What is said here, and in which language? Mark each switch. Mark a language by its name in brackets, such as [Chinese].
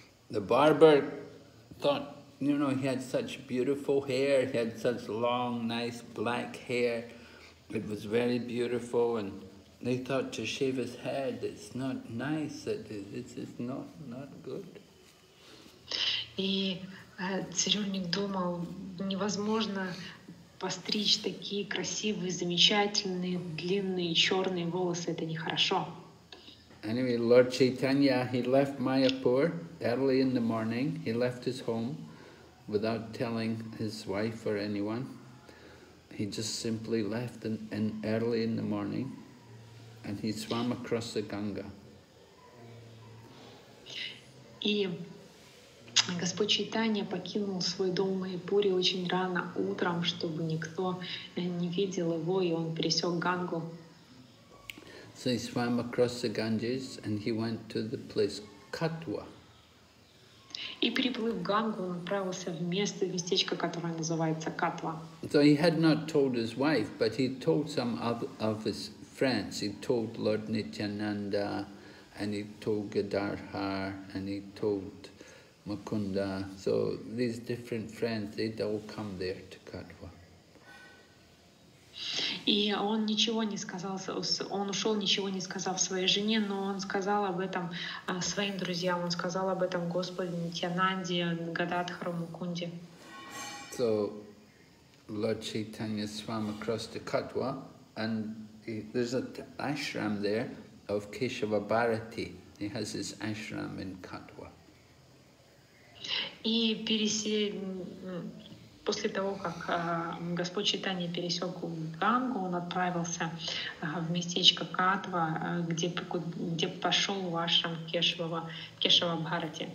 [English] The barber thought, you know, he had such beautiful hair, he had such long, nice black hair. It was very beautiful, and they thought to shave his head, it's not nice, it's not good. [Russian] И цирюльник думал, невозможно постричь такие красивые, замечательные, длинные, черные волосы, это нехорошо. [English] Anyway, Lord Chaitanya, he left Mayapur early in the morning, he left his home without telling his wife or anyone. He just simply left in early in the morning. And he swam across the Ganga. [Russian] И Господь Чайтанья покинул свой дом в Майпуре очень рано утром, чтобы никто не видел его, и он пересек Гангу. [English] So he swam across the Ganges and he went to the place Katwa. [Russian] И переплыв Гангу, он отправился в место, в местечко, которое называется Катва. [English] So he had not told his wife, but he told some of his friends. He told Lord Nityananda, and he told Gadarhar, and he told Mukunda. So these different friends, they'd all come there to Katwa. [Russian] И он ничего не сказал, он ушел, ничего не сказав своей жене, но он сказал об этом своим друзьям, он сказал об этом Господу Нитянанде, Гададхару, Мукунде. [English] So Lord Chaitanya swam across to Katwa, and there's an ashram there of Keshava Bharati. He has his ashram in Katwa. [Russian] И после того, как Господь Чайтанья пересек Гангу, он отправился в местечко Катва, где пошел в ашрам Кешава Бхарати.